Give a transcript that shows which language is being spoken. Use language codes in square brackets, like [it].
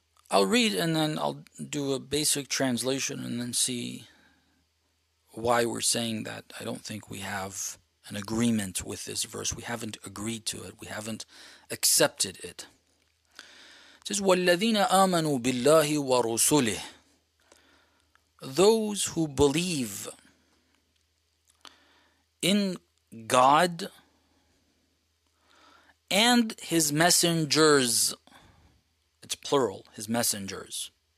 [en] I'll read and then I'll do a basic translation and then see why we're saying that. I don't think we have an agreement with this verse. We haven't agreed to it. We haven't accepted it. It says, [ar] وَالَّذِينَ آمَنُوا بِاللَّهِ وَرُسُلِهِ. [en] Those who believe in God and His messengers. It's plural, His messengers.